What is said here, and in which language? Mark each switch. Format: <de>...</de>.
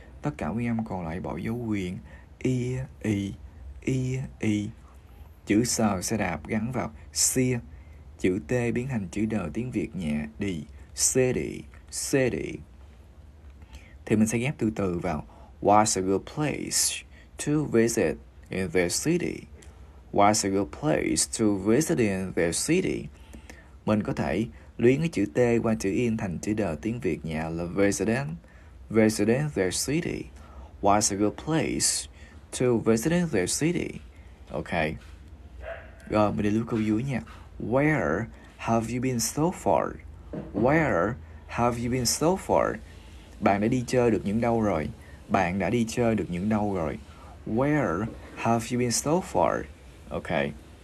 <vi>Tất cả nguyên âm còn lại bỏ dấu quyền. Y, y, y, y. Chữ sờ xe đạp gắn vào xia. Chữ T biến thành chữ đờ tiếng Việt nhẹ đi. Xê đi, xê đi. Thì mình sẽ ghép từ từ vào.</vi> <en>What's a good place to visit in the city? What's a good place to visit in the city?</en> <vi>Mình có thể luyến cái chữ T qua chữ in thành chữ đờ tiếng Việt nhẹ là resident.</vi> <en>Resident the city. What's a good place to visit in the city? Okay.</en> <vi>Rồi mình đi lưu câu dưới nha.</vi> <en>Where have you been so far? Where have you been so far?</en> <vi>Bạn đã đi chơi được những đâu rồi? Bạn đã đi chơi được những đâu rồi?</vi> <en>Where have you been so far? Okay.</en>